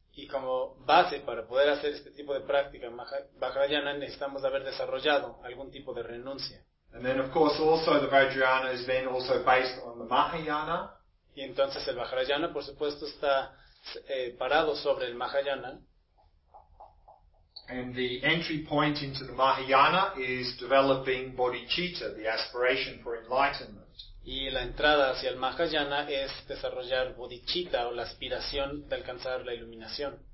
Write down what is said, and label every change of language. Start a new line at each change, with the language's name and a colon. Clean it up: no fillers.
Spanish: Y como base para poder hacer este tipo de práctica Vajrayana, necesitamos haber desarrollado algún tipo de renuncia.
English: And then of course also the Vajrayana is then also based on the Mahayana.
Spanish: Y entonces el Vajrayana por supuesto está parado sobre el Mahayana.
English: And the entry point into the Mahayana is developing bodhicitta, the aspiration for enlightenment.
Spanish: Y la entrada hacia el Mahayana es desarrollar bodhicitta o la aspiración de alcanzar la iluminación.